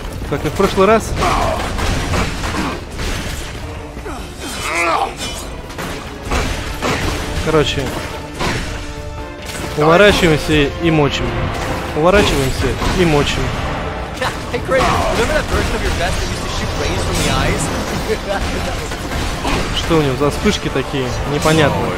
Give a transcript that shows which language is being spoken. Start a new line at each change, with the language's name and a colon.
Russian: Как и в прошлый раз? Короче, уворачиваемся и мочим. Уворачиваемся и мочим.
English: Hey, Craven, remember that version of your vest that used to shoot rays from the eyes?
Russian: Что у него за вспышки такие? Непонятно.